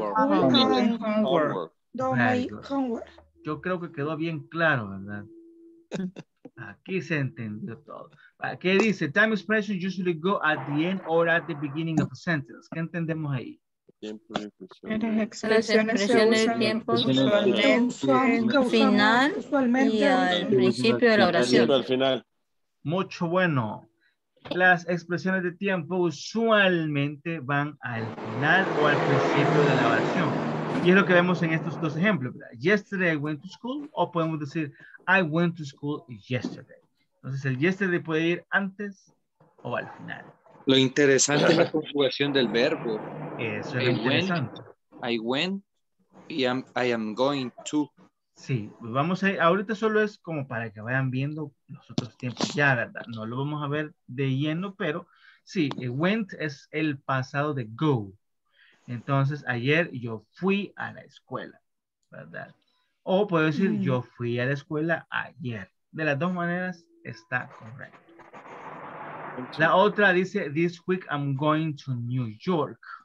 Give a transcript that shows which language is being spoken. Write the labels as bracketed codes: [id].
[en] In the afternoon, I come home from school and do my homework. [es] Yo creo que quedó bien claro, ¿verdad? Aquí se entendió todo. ¿Qué dice? [en] Time expression usually go at the end or at the beginning of a sentence. [es] ¿Qué entendemos ahí? Las expresiones de tiempo usualmente van al final y al principio de la oración. Mucho bueno. Las expresiones de tiempo usualmente van al final o al principio de la oración. Y es lo que vemos en estos dos ejemplos, ¿verdad? [en] Yesterday I went to school, [es] o podemos decir [en] I went to school yesterday. [es] Entonces el yesterday puede ir antes o al final. Lo interesante es la conjugación del verbo. Eso es lo interesante. [en] I went, I am going to. [es] Sí, pues vamos a ir, ahorita solo es como para que vayan viendo los otros tiempos ya, ¿verdad? No lo vamos a ver de lleno, pero sí, went es el pasado de go. Entonces, ayer yo fui a la escuela, ¿verdad? O puedo decir, yo fui a la escuela ayer. De las dos maneras, está correcto. La otra dice, [en] this week I'm going to New York.